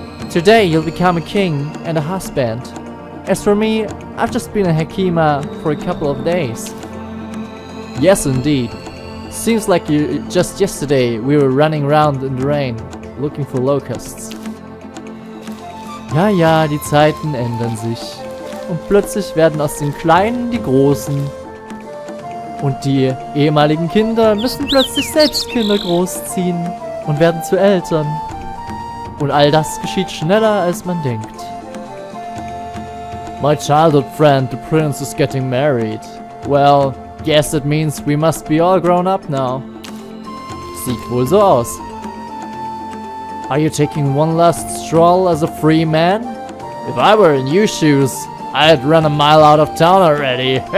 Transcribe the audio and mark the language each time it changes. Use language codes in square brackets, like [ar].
[en] Today you'll become a king and a husband. As for me, I've just been a Hekima for a couple of days. Yes, indeed. Seems like you just yesterday we were running around in the rain, looking for locusts. [de] Ja, ja, die Zeiten ändern sich. Und plötzlich werden aus den Kleinen die Großen. Und die ehemaligen Kinder müssen plötzlich selbst Kinder großziehen und werden zu Eltern. Und all das geschieht schneller, als man denkt. [en] My childhood friend, the prince, is getting married. Well, guess it means we must be all grown up now. [de] Sieht wohl so aus. [en] Are you taking one last stroll as a free man? If I were in your shoes, I'd run a mile out of town already.